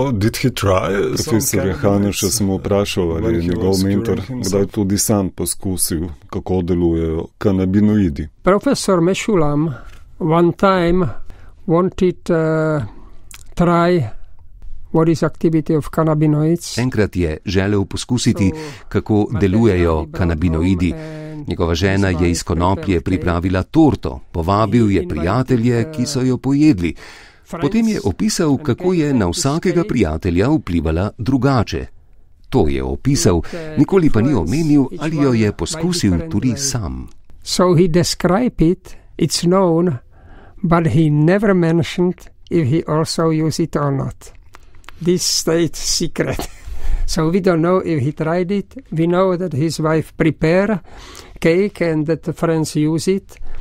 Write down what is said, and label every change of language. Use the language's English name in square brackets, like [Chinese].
[Slovenian] Profesor Janoš, sem vprašal, ali je njegov mentor kdaj tudi sam poskusil, kako delujejo kanabinoidi. [English] Profesor Meshulam one time wanted try what is activity of cannabinoids. [Slovenian] Enkrat je želel poskusiti, kako delujejo kanabinoidi. Njegova žena je iz konoplje pripravila torto, povabil je prijatelje, ki so jo pojedli. Potem je opisal, kako je na vsakega prijatelja vplivala drugače. To je opisal, nikoli pa ni omenil, ali jo je poskusil tudi sam. [English] So he described it, it's known, but he never mentioned if he also used it or not. This stayed secret. So we don't know if he tried it. We know that his wife prepare cake and that the friends use it.